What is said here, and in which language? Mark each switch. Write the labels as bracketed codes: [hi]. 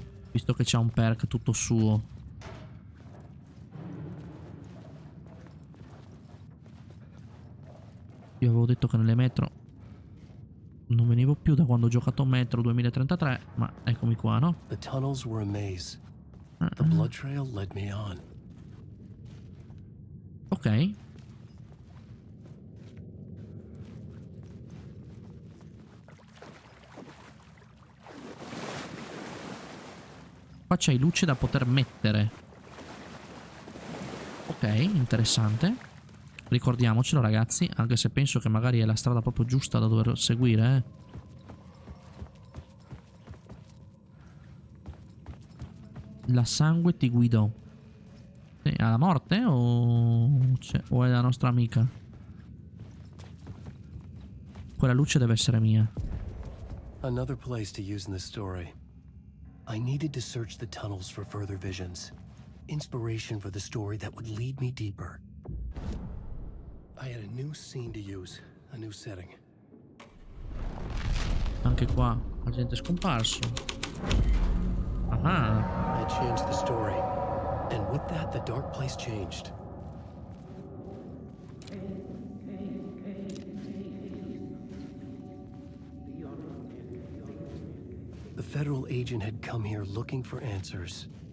[it] Visto che c'è un perk tutto suo. Io avevo detto che nelle metro non venivo più da quando ho giocato Metro 2033, ma eccomi qua, no? [en] The tunnels were a maze. The blood trail led me on. [it] Ok. Qua c'hai luce da poter mettere. Ok, interessante. Ricordiamocelo, ragazzi, anche se penso che magari è la strada proprio giusta da dover seguire. La sangue ti guidò. Alla morte o luce. O è la nostra amica? Quella luce deve essere mia. [en] Another place to use in this story. I needed to search the tunnels for further visions. Inspiration for the story that would lead me deeper. I had a new scene to use, a new setting. [it] Anche qua, agente scomparso. Aha. [en] I changed the story. And with that, the dark place changed. The federal agent had come here looking for answers.